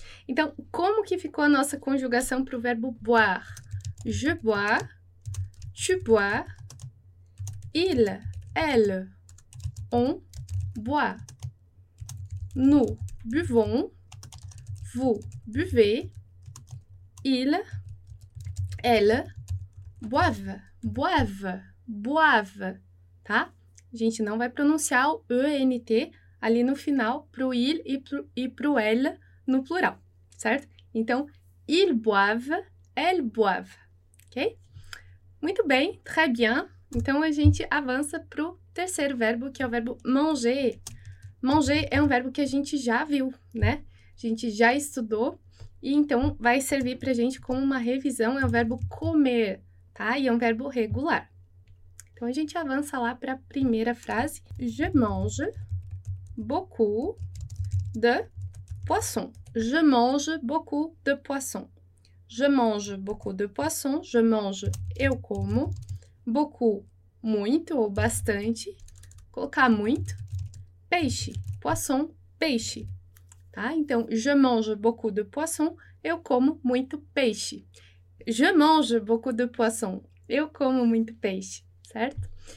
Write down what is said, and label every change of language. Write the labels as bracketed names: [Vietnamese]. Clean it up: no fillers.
[Portuguese] Então, como que ficou a nossa conjugação para o verbo boire? [French] Je bois, tu bois, il, elle, on boit. Nous buvons, vous buvez, ils, elles boivent, boivent, [Portuguese] boivent, tá? A gente não vai pronunciar o ENT ali no final pro il e pro elle no plural, certo? [French] Então, ils boivent, elles boivent, ok? [Portuguese] Muito bem, [French] très bien. [Portuguese] Então, a gente avança pro terceiro verbo, que é o verbo manger. Manger é um verbo que a gente já viu, né? A gente já estudou e então vai servir para a gente como uma revisão. É o verbo comer, tá? E é um verbo regular. Então a gente avança lá para a primeira frase. [French] Je mange beaucoup de poisson. Je mange beaucoup de poisson. Je mange beaucoup de poisson. Je mange, [Portuguese] eu como. Beaucoup, muito ou bastante. Colocar muito. Peixe, poisson, peixe. Tá? Então, [French] je mange beaucoup de poisson, [Portuguese] eu como muito peixe. [French] Je mange beaucoup de poisson, [Portuguese] eu como muito peixe, certo?